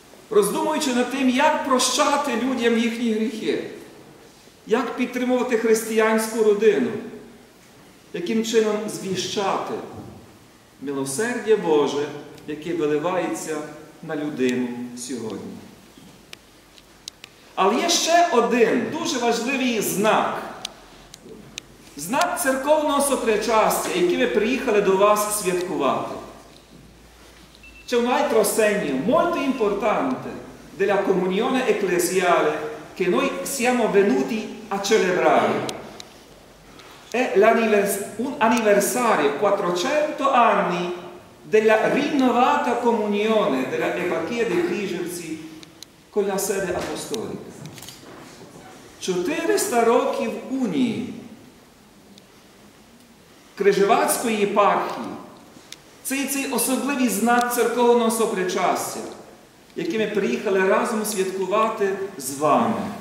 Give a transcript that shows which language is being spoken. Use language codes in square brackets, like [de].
[uk] Роздумуючи над тим, як прощати людям їхні гріхи, як підтримувати християнську родину, яким чином звіщати милосердя Боже, яке виливається на людину сьогодні. Але є ще один дуже важливий знак. Знак церковного сотричастя, який ми приїхали до вас святкувати. Це найпростенніше, [it] molto importante della comunione ecclesiale che noi siamo venuti a celebrare. È un anniversario, 400 anni della rinnovata comunione della Eparchia dei Križevci con la sede apostolica. [uk] 400 років унії Križevацької єпархії. Це і цей особливий знак церковного сопричастя, який ми приїхали разом святкувати з вами.